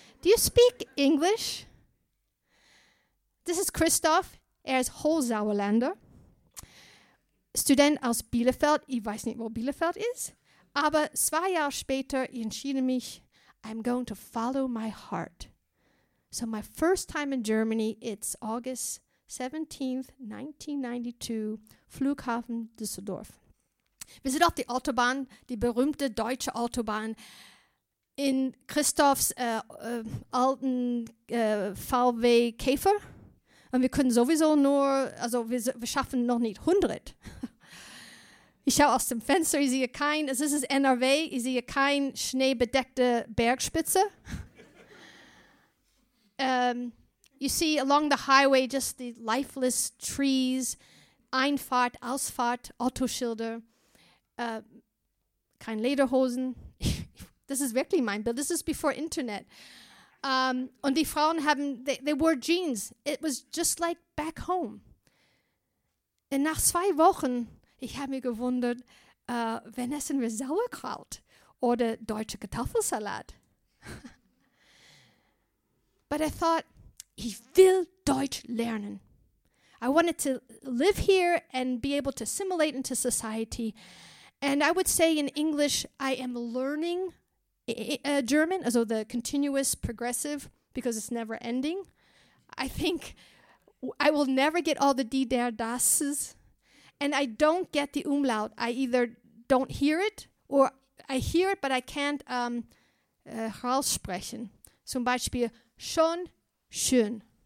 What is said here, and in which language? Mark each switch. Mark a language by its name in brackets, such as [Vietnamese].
[English] Do you speak English? This is Christoph. [German] Er ist Holzauerländer, Student aus Bielefeld. Ich weiß nicht, wo Bielefeld ist. Aber zwei Jahre später, ich entschied mich, [English] I'm going to follow my heart. So my first time in Germany, it's August 17th, 1992, [German] Flughafen Düsseldorf. Wir sind auf die Autobahn, die berühmte deutsche Autobahn, in Christophs alten VW Käfer. Und wir können sowieso nur, also wir schaffen noch nicht 100. Ich schaue aus dem Fenster, ich sehe kein, es ist NRW, ich sehe kein schneebedeckte Bergspitze. [English] You see along the highway just the lifeless trees, [German] Einfahrt, Ausfahrt, Autoschilder, kein Lederhosen. Das ist wirklich mein Bild, das ist [English] before Internet. [German] Und die Frauen haben, [English] they wore jeans. It was just like back home. [German] Und nach zwei Wochen, ich habe mich gewundert, wenn essen wir Sauerkraut oder deutsche Kartoffelsalat? [English] But I thought, [German] ich will Deutsch lernen. [English] I wanted to live here and be able to assimilate into society. And I would say in English, I am learning German, as though the continuous progressive, because it's never ending. I think I will never get all the die, der, das's. And I don't get the umlaut. I either don't hear it, or I hear it, but I can't [German] raussprechen. Zum Beispiel, schon, schön.